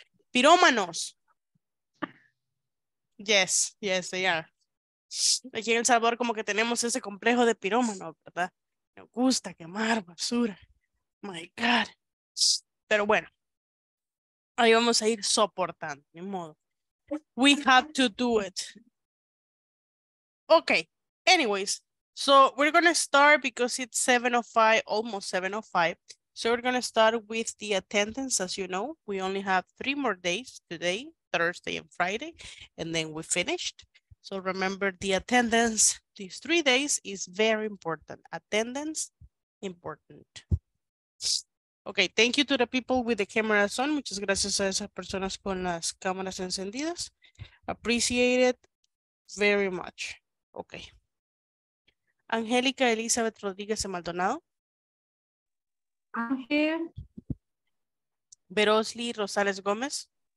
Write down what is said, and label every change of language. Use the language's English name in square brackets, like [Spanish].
[English] ¡Pirómanos! Yes, yes, they are. [Spanish] Aquí en El Salvador como que tenemos ese complejo de pirómanos, ¿verdad? Me gusta quemar basura. [English] My God. [Spanish] Pero bueno, ahí vamos a ir soportando, ni modo. [English] We have to do it. Okay, anyways, so we're going to start because it's 7:05, almost 7:05. So we're going to start with the attendance. As you know, we only have 3 more days today, Thursday and Friday, and then we finished. So remember the attendance, these 3 days is very important. Attendance, important. Okay, thank you to the people with the cameras on. [Spanish] Muchas gracias a esas personas con las cámaras encendidas. [English] Appreciate it very much. Okay. Angélica Elizabeth Rodríguez de Maldonado. I'm here. Verosly Rosales Gómez.